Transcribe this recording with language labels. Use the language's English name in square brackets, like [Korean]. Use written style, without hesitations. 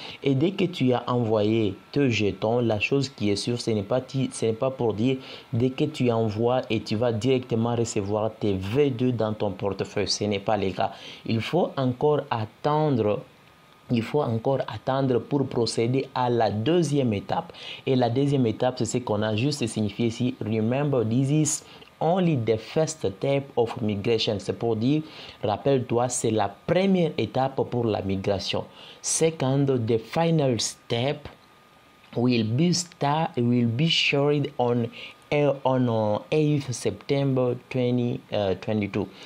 [French] Et dès que tu as envoyé tes jetons, la chose qui est sûre, ce n'est pas pour dire dès que tu envoies et tu vas directement recevoir tes V2 dans ton portefeuille. Ce n'est pas le cas. Il faut encore attendre. Il faut encore attendre pour procéder à la deuxième étape. Et la deuxième étape, c'est ce qu'on a juste signifié ici. [English] Remember, this is only the first step of migration. [French] C'est pour dire, rappelle-toi, c'est la première étape pour la migration. [English] Second, the final step will be shared on 8 September 2022.